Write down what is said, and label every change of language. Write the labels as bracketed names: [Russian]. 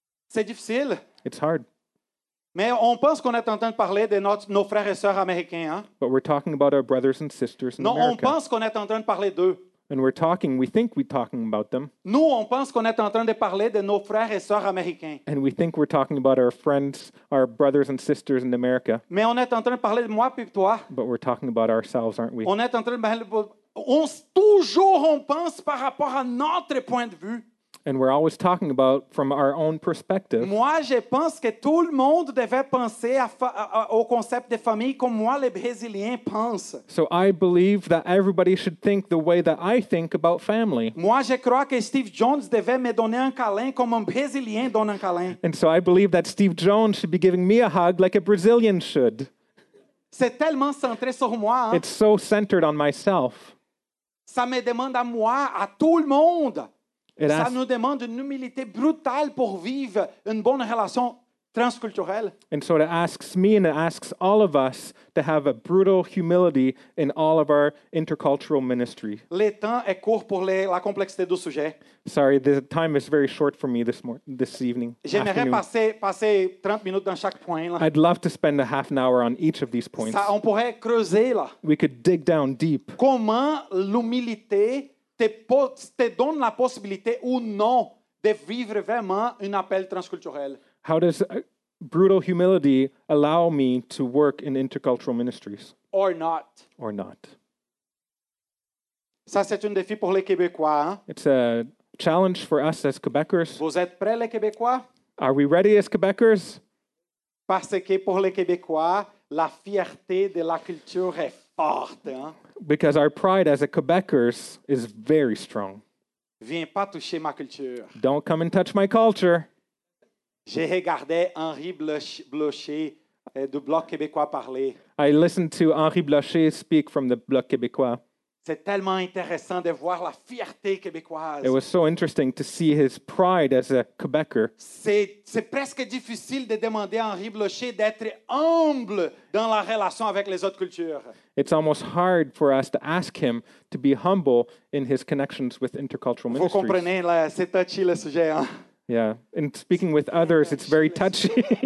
[French] C'est difficile. [English] It's hard. [French] Mais on pense qu'on est en train de parler de nos frères et sœurs américains, hein? [English] But we're talking about our brothers and sisters in [French] America. Non, on pense qu'on est en train de parler d'eux. [English] And we think we're talking about them. [French] Nous, on pense qu'on est en train de parler de nos frères et sœurs américains. [English] And we think we're talking about our friends, our brothers and sisters in America. [French] Mais on est en train de parler de moi puis toi. [English] But we're talking about ourselves, aren't we? [French] On est en train de parler de... On toujours on pense par rapport à notre point de vue. [English] And we're always talking about from our own perspective. [French] Moi, je pense que tout le monde devait penser au concept de famille comme moi, le Brésilien pense. [English] So I believe that everybody should think the way that I think about family. [French] Moi, je crois que Steve Jones devait me donner un câlin comme un Brésilien donne un câlin. [English] And so I believe that Steve Jones should be giving me a hug like a Brazilian should. [French] C'est tellement centré sur moi. Hein? [English] It's so centered on myself. [French] Ça me demande à moi, à tout le monde. [English] It asks, [French] ça nous demande une humilité brutale pour vivre une bonne relation transculturelle. [English] And so it asks me and it asks all of us to have a brutal humility in all of our intercultural ministry. [French] Le temps est court pour la complexité du sujet. [English] Sorry, the time is very short for me this evening. [French] J'aimerais passer 30 minutes dans chaque point. Là. [English] I'd love to spend a half an hour on each of these points. [French] Ça, on pourrait creuser là. [English] We could dig down deep. [French] Comment l'humilité te donne la possibilité ou non de vivre vraiment un appel transculturel. [English] How does brutal humility allow me to work in intercultural ministries? Or not. Or not. [French] Ça, c'est un défi pour les Québécois. Hein? [English] It's a challenge for us as Quebecers. [French] Vous êtes prêts, les Québécois? [English] Are we ready as Quebecers? [French] Parce que pour les Québécois, la fierté de la culture est forte. Hein? [English] Because our pride as a Quebecers is very strong. [French] Viens pas toucher ma culture. [English] Don't come and touch my culture. [French] J'ai regardé Henri Blocher du Bloc Québécois parler. [English] I listened to Henri Blocher speak from the Bloc Québécois. [French] C'est tellement intéressant de voir la fierté québécoise. [English] It was so interesting to see his pride as a Quebecer. [French] C'est presque difficile de demander à Henri Blocher d'être humble dans la relation avec les autres cultures. [English] It's almost hard for us to ask him to be humble in his connections with intercultural ministries. [French] Vous comprenez, là, c'est touchy le sujet, hein? [English] Yeah, and speaking with others, it's very touchy.